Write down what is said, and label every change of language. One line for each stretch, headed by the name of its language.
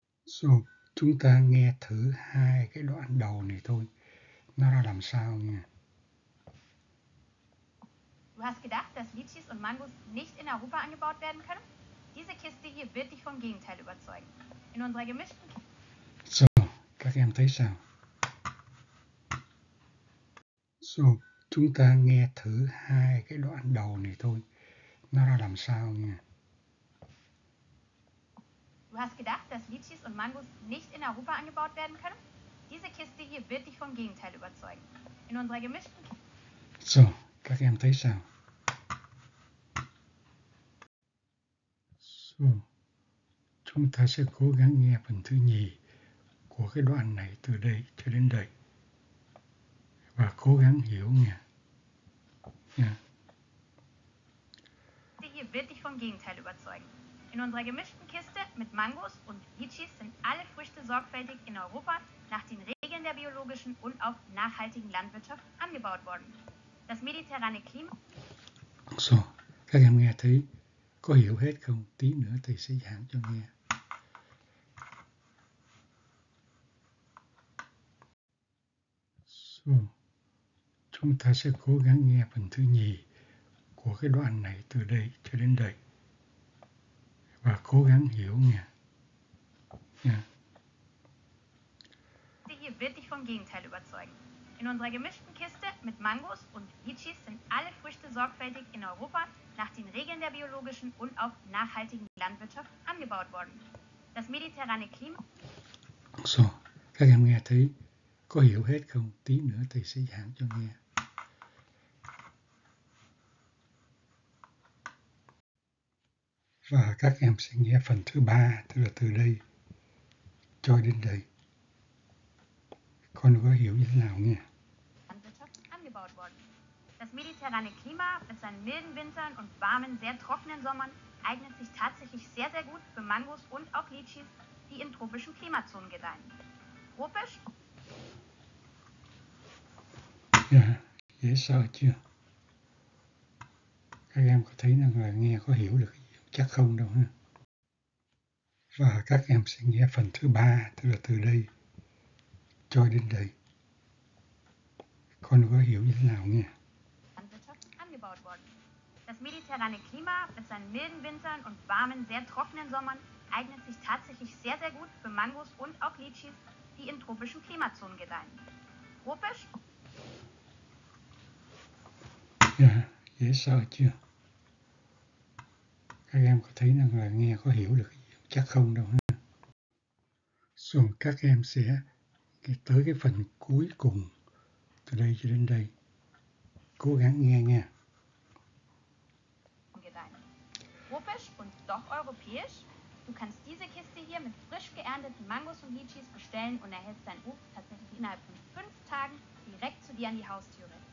Vietnamese: So, chúng ta nghe thử hai cái đoạn đầu này thôi. Nó ra làm sao nha.
German: Du hast gedacht, dass Litschis und Mangos nicht in Europa angebaut werden können? Diese Kiste hier wird dich vom Gegenteil überzeugen. In unserer gemischten
Vietnamese: Kiste. So, các em thấy sao? So, chúng ta nghe thử hai cái đoạn đầu này thôi. Nó ra làm sao nha.
German: Du hast gedacht, dass Litschis und Mangos nicht in Europa angebaut werden können? Diese Kiste hier wird dich vom Gegenteil überzeugen. In unserer gemischten
Vietnamese: Kiste. So, các em thấy sao? So, chúng ta sẽ cố gắng nghe phần thứ nhì của cái đoạn này từ đây cho đến đây. Và cố gắng hiểu nha.
German: Diese Kiste hier wird dich vom Gegenteil überzeugen. In unserer gemischten Kiste mit Mangos und Litschis sind alle Früchte sorgfältig in Europa nach den Regeln der biologischen und auch nachhaltigen Landwirtschaft angebaut worden. Das mediterrane Klima.
Vietnamese: So, các em nghe thấy, có hiểu hết không? Tí nữa thầy sẽ giảng cho nghe. So, chúng ta sẽ cố gắng nghe phần thứ nhì của cái đoạn này từ đây cho đến đây. Và cố gắng hiểu nha.
German: Sie hier wird dich vom Gegenteil überzeugen. In unserer gemischten Kiste mit Mangos und Litschis sind alle Früchte sorgfältig in Europa nach den Regeln der biologischen und auch nachhaltigen Landwirtschaft angebaut worden. Das mediterrane Klima.
Vietnamese: So, các em nghe thấy, có hiểu hết không? Tí nữa thầy sẽ giảng cho nghe. Và các em sẽ nghe phần thứ ba, tức là từ đây cho đến đây. Con có hiểu như thế nào nghe?
German: Angebaut worden. Das mediterrane Klima mit seinen milden Wintern und warmen, sehr trockenen Sommern eignet sich tatsächlich sehr, sehr gut für Mangos und auch Litschis, die in tropischen Klimazonen gedeihen. Tropisch?
Vietnamese: Ja, dễ sợ chưa? Các em có thấy rằng là nghe có hiểu được? Chắc không đâu ha. Và các em sẽ nghe phần thứ ba, tức là từ đây cho đến đây. Con có hiểu như thế nào nghe?
German: Angebaut worden. Das mediterrane Klima mit seinen milden Wintern und warmen, sehr trockenen Sommern eignet sich tatsächlich sehr, sehr gut für Mangos und auch Litschis, die in tropischen Klimazonen gedeihen. Tropisch?
Vietnamese: Ja, dễ sợ chưa? Các em có thấy rằng là nghe có hiểu được cái gì không? Chắc không đâu ha. So, các em sẽ tới cái phần cuối cùng từ đây cho đến đây. Cố gắng nghe nha.
German: Tropisch und doch europäisch. Du kannst diese Kiste hier mit frisch geernteten Mangos und Litschis bestellen und erhältst dein Obst tatsächlich innerhalb von 5 Tagen direkt zu dir an die Haustüre.